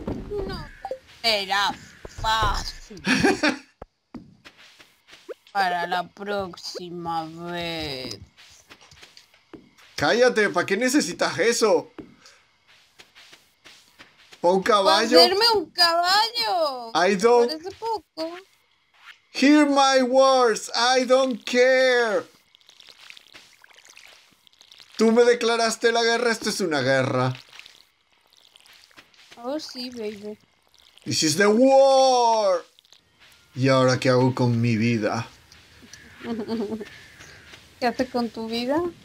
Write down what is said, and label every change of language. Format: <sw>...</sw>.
<es>No era fácil. Para la próxima vez. ¡Cállate! ¿Para qué necesitas eso? ¿Para un caballo? ¡Para hacerme un caballo!</es> <en>I don't...</en> <es>Parece poco.</es> <en>Hear my words, I don't care.</en> <es>Tú me declaraste la guerra, esto es una guerra. Oh, sí, baby.</es> <en>This is the war.</en> <es>¿Y ahora qué hago con mi vida? ¿Qué haces con tu vida?</es>